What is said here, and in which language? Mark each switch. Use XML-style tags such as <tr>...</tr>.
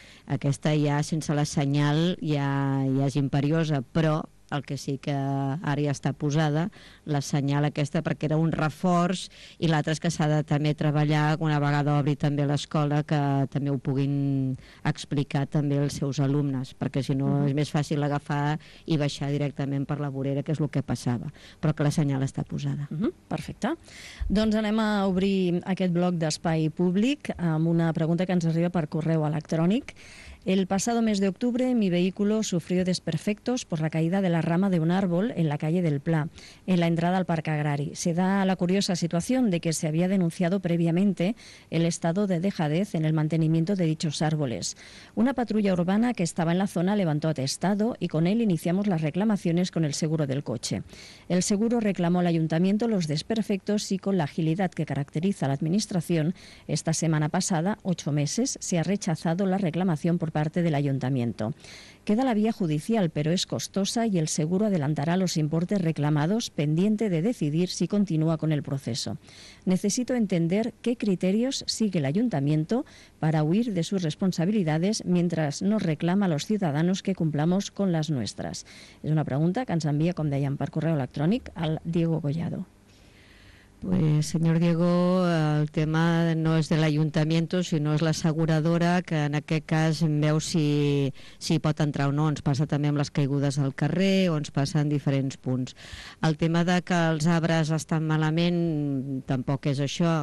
<ca>Aquesta ja, sense la senyal, ja és imperiosa, però el que sí que ara ja està posada, la senyal aquesta, perquè era un reforç, i l'altra és que s'ha de també treballar, una vegada obri també l'escola, que també ho puguin explicar també els seus alumnes, perquè si no és més fàcil agafar i baixar directament per la vorera, que és el que passava, però que la senyal està posada. Perfecte. Doncs anem a obrir aquest bloc d'espai públic amb una pregunta que ens arriba per correu electrònic.</ca> <es>El pasado mes de octubre mi vehículo sufrió desperfectos por la caída de la rama de un árbol en la calle del Pla, en la entrada al Parque Agrari. Se da la curiosa situación de que se había denunciado previamente el estado de dejadez en el mantenimiento de dichos árboles. Una patrulla urbana que estaba en la zona levantó atestado y con él iniciamos las reclamaciones con el seguro del coche. El seguro reclamó al ayuntamiento los desperfectos y con la agilidad que caracteriza a la administración, esta semana pasada, 8 meses, se ha rechazado la reclamación por parte del ayuntamiento. Queda la vía judicial, pero es costosa y el seguro adelantará los importes reclamados, pendiente de decidir si continúa con el proceso. Necesito entender qué criterios sigue el ayuntamiento para huir de sus responsabilidades mientras nos reclama a los ciudadanos que cumplamos con las nuestras. Es una pregunta que ens envía,</es> <ca>com deien,</ca> <es>per correo electrónico al Diego Collado. Pues, señor</es> <ca>Diego, el tema no és de l'Ajuntament, sinó és l'asseguradora, que en aquest cas veu si pot entrar o no. Ens passa també amb les caigudes al carrer o ens passa en diferents punts. El tema de que els arbres estan malament tampoc és això.</ca>